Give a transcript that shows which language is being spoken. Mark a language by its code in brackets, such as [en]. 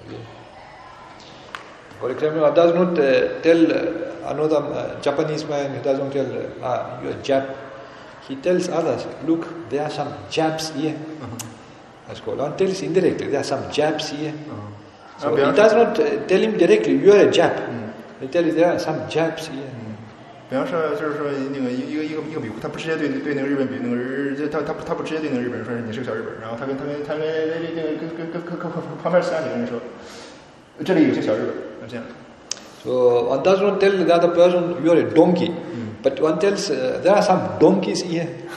[en] example, does not tell another Japanese man, he doesn't tell you are Jap. He tells others, look, there are some Japs here. That's called. Don't tell us indirectly. There are some Japs here. So he does not tell him directly. You are a Jap. He tells you there are some Japs here. [zh] 比方说，就是说，那个一个比库，他不直接对那个日本说你是个小日本，然后他跟旁边那个旁边三个人说，这里有些小日本，这样。So [en] one does not tell the other person you are a donkey, but one tells there are some donkeys here.